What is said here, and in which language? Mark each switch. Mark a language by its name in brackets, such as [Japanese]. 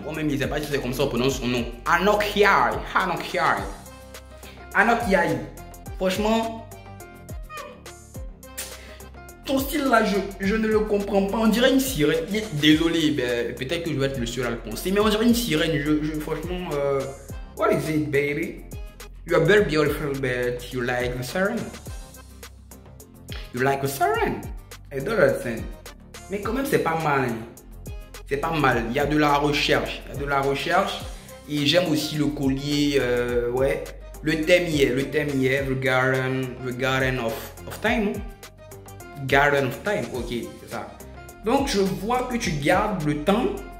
[French] Moi-même, je sais pas si c'est comme ça on prononce son nom. Anok Yai. Anok Yai. Franchement, ton style là, je ne le comprends pas. On dirait une sirène. Désolé, ben, peut-être que je vais être le seul à le penser, mais on dirait une sirène. [English] Franchement, what is it, baby? You are very beautiful, but you like a sirène. You like a sirène? I don't understand. [French] Mais quand même, c'est pas mal. C'est pas mal. Il y a de la recherche. Il y a de la recherche. Et j'aime aussi le collier. Ouais. Le thème hier, [English] the garden of time. [French] Garden of time, ok, c'est ça. Donc je vois que tu gardes le temps.